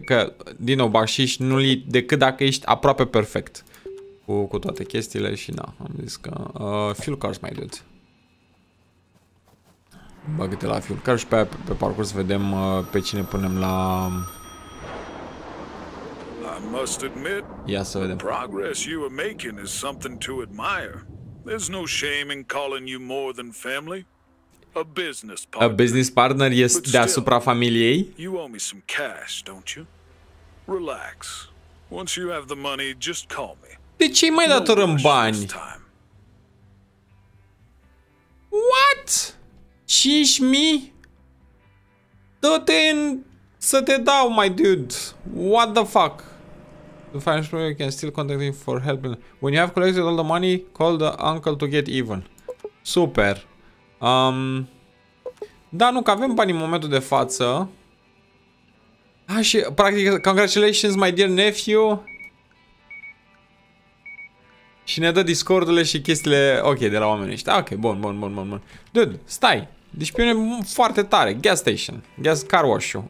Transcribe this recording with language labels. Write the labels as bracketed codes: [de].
[ro] Că, din nou, bașiș nu li decât dacă ești aproape perfect cu toate chestiile și na, am zis că... [en] fuel cars [ro] mai dude. Băgă-te la fuel cars și pe parcurs vedem pe cine punem la... [en] I must admit, the progress you are making is something to admire. There's no shame in calling you more than family. A business partner [ro] e deasupra familiei. [en] You owe me some cash, don't you? Relax. Once you have the money, just call me. [ro] De ce mai datorăm bani? [en] What? [ro] 5.000? Dă-te în... să te dau, [en] my dude. What the fuck? The financial manager can still contact him for help. When you have collected all the money, call the uncle to get even. [ro] Super. Da, nu, că avem bani în momentul de față. Ah, și practic, [en] congratulations, my dear nephew. [ro] Și ne dă Discord-urile și chestiile, ok, de la oamenii ăștia. Ok, bun. Dude, stai. Deci pune foarte tare. Gas station. Gas car wash-ul.